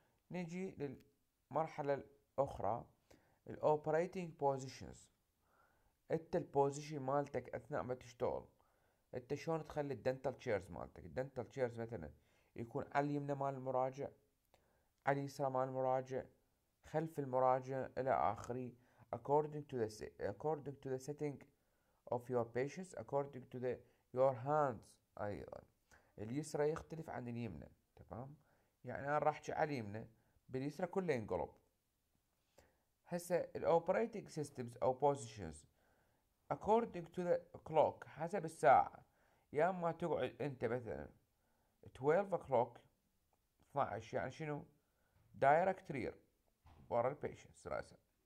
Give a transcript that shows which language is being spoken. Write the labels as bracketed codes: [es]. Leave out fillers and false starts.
[ar] نجي للمرحله الاخرى، [en] الاوبريتنج بوزيشنز. [ar] انت البوزيشن مالتك اثناء ما تشتغل، انت شلون تخلي الدنتال تشيرز مالتك؟ الدنتال تشيرز مثلا يكون على اليمنى مال المراجع، على اليسرى مال المراجع، خلف المراجع الى اخره. [en] according to the setting of your patients according to the your hands. [ar] ايضا اليسرى يختلف عن اليمنى. تمام، يعني انا راح اجي على اليمنى باليسرى كله ينقلب. هسه [en] الاوبريتنج سيستمز او positions according to the clock، [ar] حسب الساعة. يا اما تقعد انت مثلا [en] 12 o'clock [ar] 12، يعني شنو؟ [en] direct rear [ar] ورا البيشنس راسا.